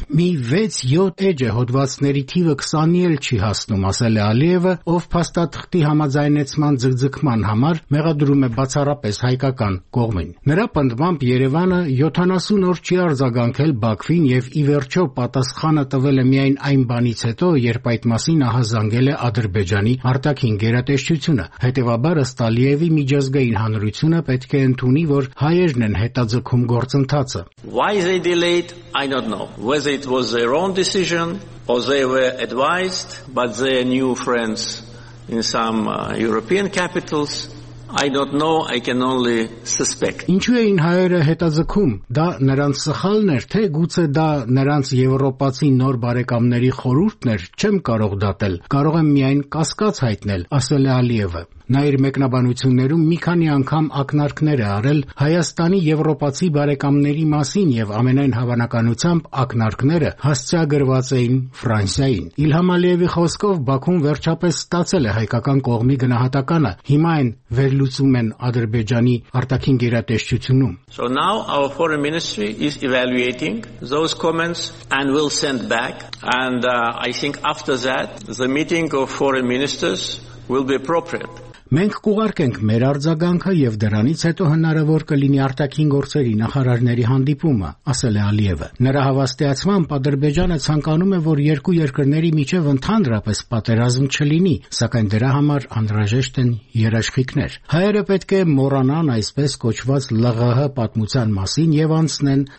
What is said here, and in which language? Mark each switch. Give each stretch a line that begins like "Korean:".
Armenian: Մի 6-7 էջե հոդվածների թիվը 20-ի էլ չի հասնում, ասել է Ալիևը, ով փաստաթղթի համաձայնեցման ձգձգման համար մեղադրում է բացառապես հայկական կողմին։ Նրա պնդմամբ Երևանը 70 օր չի արձագանքել Բաքվին եւ ի վերջո պատասխանը տվել է միայն այն բանից հետո, երբ այդ մասին ահազանգել է Ադրբեջանի արտաքին գերատեսչությունը։ Հետևաբար ըստ Ալիևի միջազգային հանրությունը պետք է ընդունի, որ հայերն են հետաձգում գործընթացը։
English: Why they delayed, I don't know. Whether it was their own decision or they were advised, but their new friends in some European capitals, I don't know, I can only suspect.
Armenian: Ինչու էին հայերը հետաձգում, դա նրանց սխալն էր, թե գուցե դա նրանց եվրոպացի նոր բարեկամների խորհուրդն էր, չեմ կարող դատել, կարող եմ միայն կասկած հայտնել, ասել է Ալիևը։ Նա իր մեկնաբանություններում մի քանի անգամ ակնարկներ է արել Հայաստանի եվրոպացի բարեկամների մասին եւ ամենայն հավանականությամբ ակնարկները հասցեագրված էին Ֆրանսիային։ Իլհամ Ալիևի խոսքով Բաքուն վերջապես ստացել է հայկական կողմի գնահատականը, հիմա այն վերլուծում են Ադրբեջանի արտաքին գերատեսչությունում։
English: So now our foreign ministry is evaluating those comments and will send back, and I think after that the meeting of foreign ministers will be appropriate.
Armenian: Մենք կուղարկենք մեր արձագանքը եւ դրանից հետո հնարավոր կլինի արտաքին գործերի նախարարների հանդիպումը, ասել է Ալիևը։ Նրա հավաստիացմամբ Ադրբեջանը ցանկանում է, որ երկու երկրների միջև ընդհանրապես պատերազմ չլինի, սակայն դրա համար անհրաժեշտ են երաշխիքներ։ Հայերը պետք է մոռանան այսպես կոչված ԼՂՀ պատմության մասին եւ անցնեն